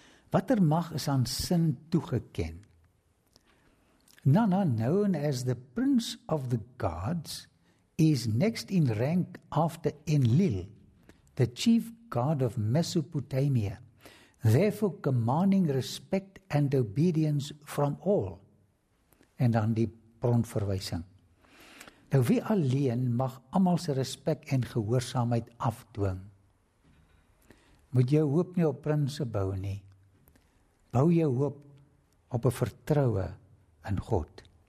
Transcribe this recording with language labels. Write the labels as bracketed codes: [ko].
[af] Watter mag is aan Sin toegeken? [en] Nana, known as the Prince of the Gods, is next in rank after Enlil, the chief god of Mesopotamia, therefore commanding respect and obedience from all. [af] En dan die bronverwysing. Nou wie alleen mag almal se respek en gehoorsaamheid afdwing? Moet jou hoop nie op prinse bou nie. Bou jou hoop op 'n vertroue in God.